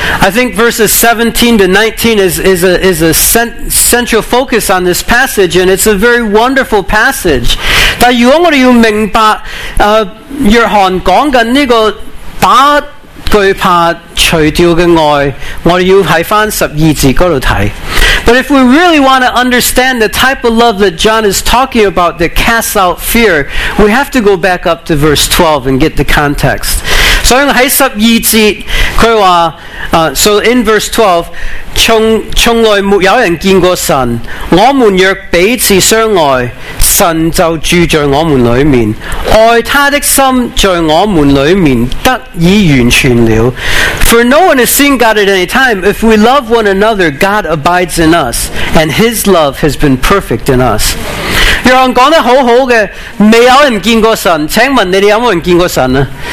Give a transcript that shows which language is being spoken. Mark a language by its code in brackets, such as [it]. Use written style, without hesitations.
[en] I think verses 17 to 19 is a central focus on this passage, and it's a very wonderful passage. [zh] 但如果我们要明白、约翰讲的这个把惧怕除掉的爱，我们要在翻十二节那里看。 [en] But if we really want to understand the type of love that John is talking about that casts out fear, we have to go back up to verse 12 and get the context. So in verse 12, [zh] 从来没有人见过神，我们若彼此相爱，神就住在我们里面，爱他的心在我们里面得以完全了。 [en] For no one has seen God at any time. If we love one another, God abides in us, and His love has been perfect in us. [zh] 约翰讲得好好的，没有人见过神，请问你们有没有人见过神呢？